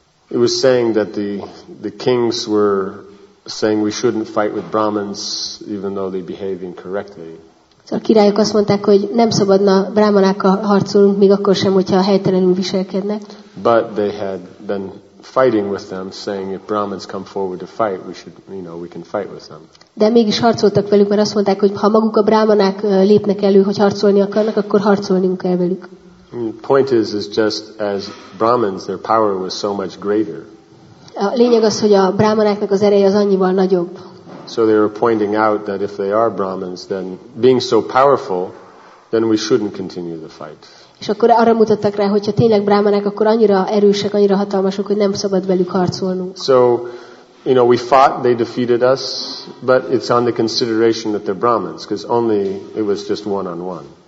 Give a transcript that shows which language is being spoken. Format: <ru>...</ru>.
<en>It was saying that the kings were saying we shouldn't fight with Brahmins even though they're behaving correctly.</en> <hu>A királyok azt mondták, hogy nem szabadna brahmanákkal harcolnunk, még akkor sem, hogyha helytelenül viselkednek.</hu> <en>But they had been fighting with them, saying if Brahmins come forward to fight, we can fight with them.</en> <hu>De mégis harcoltak velük, mert azt mondták, hogy ha maguk a brahmanák lépnek elő, hogy harcolni akarnak, akkor harcolnunk kell velük.</hu> <en>Point is just as Brahmins, their power was so much greater.</en> <hu>A lényeg az, hogy a brahmanáknak az ereje az annyival nagyobb.</hu> <en>So they were pointing out that if they are Brahmins, then being so powerful, then we shouldn't continue the fight.</en> <hu>És akkor arra mutattak rá, hogy ha tényleg brahmanák, akkor annyira erősek, annyira hatalmasok, hogy nem szabad velük harcolnunk.</hu> <en>So You know, we fought, they defeated us, but it's on the consideration that they're Brahmins, because only it was just one-on-one.</en>